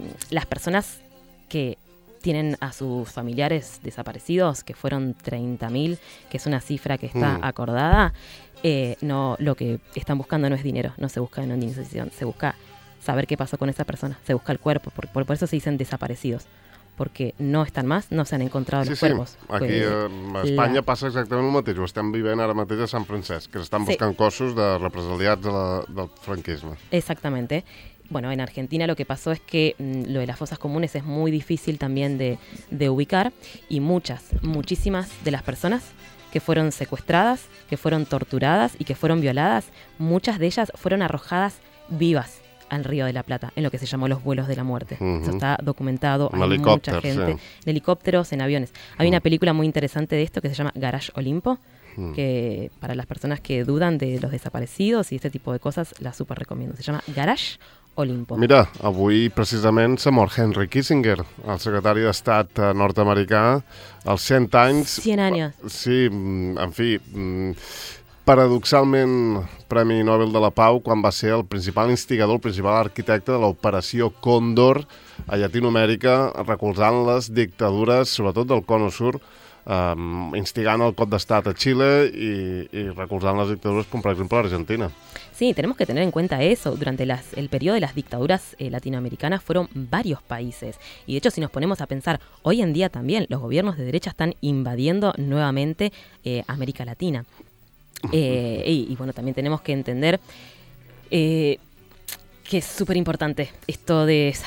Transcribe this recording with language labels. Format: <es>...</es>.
<es>Las personas que tienen a sus familiares desaparecidos, que fueron 30.000, que es una cifra que está acordada, no, lo que están buscando no es dinero, no se busca una indemnización, se busca saber qué pasó con esa persona, se busca el cuerpo, por eso se dicen desaparecidos. Porque no están más, no se han encontrado los cuerpos.</es> <ca>Sí, sí, aquí a Espanya passa exactament el mateix. Ho estem vivint ara mateix a Sant Francesc, que estan buscant cossos de represaliats del franquisme.</ca> <es>Exactamente. Bueno, en Argentina lo que pasó es que lo de las fosas comunes es muy difícil también de ubicar, y muchísimas de las personas que fueron secuestradas, que fueron torturadas y que fueron violadas, muchas de ellas fueron arrojadas vivas al Río de la Plata, en lo que se llamó los vuelos de la muerte. Eso está documentado. Hay mucha gente. En helicópteros, en aviones. Hay una película muy interesante de esto que se llama Garage Olimpo, que para las personas que dudan de los desaparecidos y este tipo de cosas, la super recomiendo. Se llama Garage Olimpo.</es> <ca>Mira, avui precisament s'ha mort Henry Kissinger, el secretari d'Estat nord-americà, als 100 anys. 100 anys. Sí, en fi, paradoxalment, Premi Nobel de la Pau, quan va ser el principal instigador, el principal arquitecte de l'operació Còndor a Llatinoamèrica, recolzant les dictadures, sobretot del Cono Sur, instigant el cop d'estat a Xile i recolzant les dictadures com, per exemple, l'Argentina.</ca> <es>Sí, tenemos que tener en cuenta eso. Durante el periodo de las dictaduras latinoamericanas fueron varios países. Y de hecho, si nos ponemos a pensar, hoy en día también los gobiernos de derecha están invadiendo nuevamente América Latina. Y bueno, también tenemos que entender que es súper importante esto de...</es>